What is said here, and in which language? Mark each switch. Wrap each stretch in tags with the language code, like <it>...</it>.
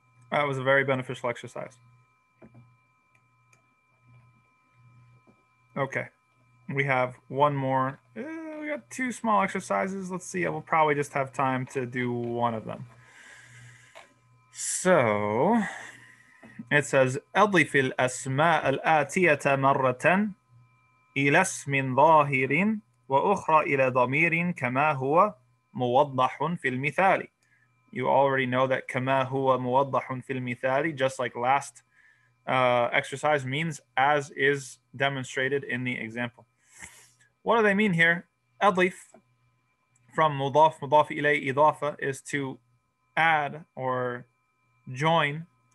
<en>That was a very beneficial exercise. Okay. We have one more. We got two small exercises. Let's see. We'll probably just have time to do one of them. So it says,</en> <ar>أضف الأسماء الآتية مرة إلى اسم ظاهر وأخرى إلى ضمير كما هو موضح في المثال.</ar> <en>You already know that</en> <ar>كما هو موضح في المثال,</ar> <en>just like last exercise, means as is demonstrated in the example. What do they mean here? أضيف from مضاف, مضاف إليه إضافة, is to add or join.</en>